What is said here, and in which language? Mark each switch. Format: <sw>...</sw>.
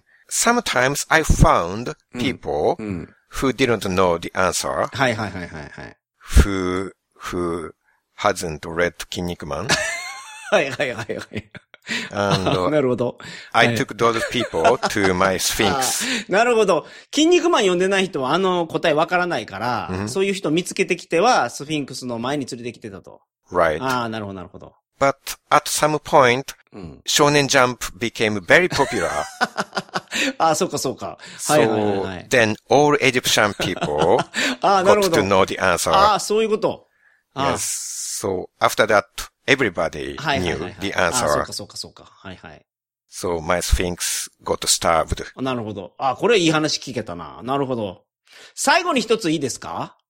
<en>Sometimes I found people、うん、who didn't know the answer.</en> <ja>はいはいはいはい、はい。</ja> <en>Who hasn't read 筋肉マン。</en> <ja>はいはいはいはい。</ja> <en>And,</en> <ja>なるほど。</ja> <en>I took those people to my Sphinx.</en> <ja>なるほど。筋肉マン読んでない人はあの答えわからないから、うん、そういう人見つけてきては、スフィンクスの前に連れてきてたと。</ja> <en>Right.</en> <ja>ああ、なるほど、なるほど。</ja> <en>But at some point,、うん、少年ジャンプ became very popular.</en> <ja>ああ、そうか、そうか。</ja> <en>So,</en> <ja>はいはいはい。</ja> <en>Then all Egyptian people got to know the answer.</en> <ja>ああ、そういうこと。</ja> <en>Yes. So, after that,Everybody knew、はいはいはいはい、the answer.</en> <ja>あ、そうかそうかそうか。はいはい。</ja> <en>So my Sphinx got starved.</en> <ja>なるほど。あ、これいい話聞けたな。なるほど。最後に一ついいですか?</ja>